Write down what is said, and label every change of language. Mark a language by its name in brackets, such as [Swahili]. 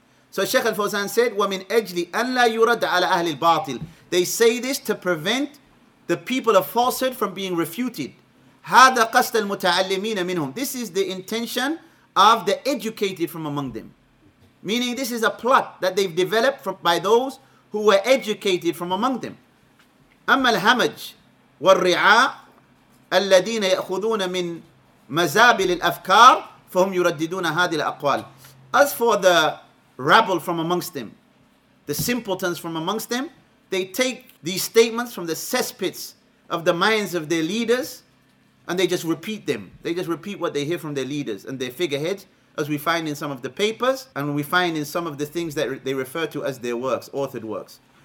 [English] So Sheikh Al-Fawzan said, [Arabic] وَمِنْ أَجْلِ أَنْ لَا يُرَدَّ عَلَىٰ أَهْلِ الْبَاطِلِ [English] They say this to prevent the people of falsehood from being refuted. [Arabic] هَذَا قَسْتَ الْمُتَعَلِّمِينَ مِنْهُمْ [English] This is the intention of the educated from among them. Meaning this is a plot that they've developed by those who were educated from among them. [Arabic] أما الهمج والرعاء الذين يأخذون من مزابل الأفكار فهم يرددون هذه الأقوال. [English] As for the rabble from amongst them, the simpletons from amongst them, they take these statements from the cesspits of the minds of their leaders and they just repeat them. They just repeat what they hear from their leaders and their figureheads. As we find in some of the papers, and we find in some of the things that they refer to as their works, authored works.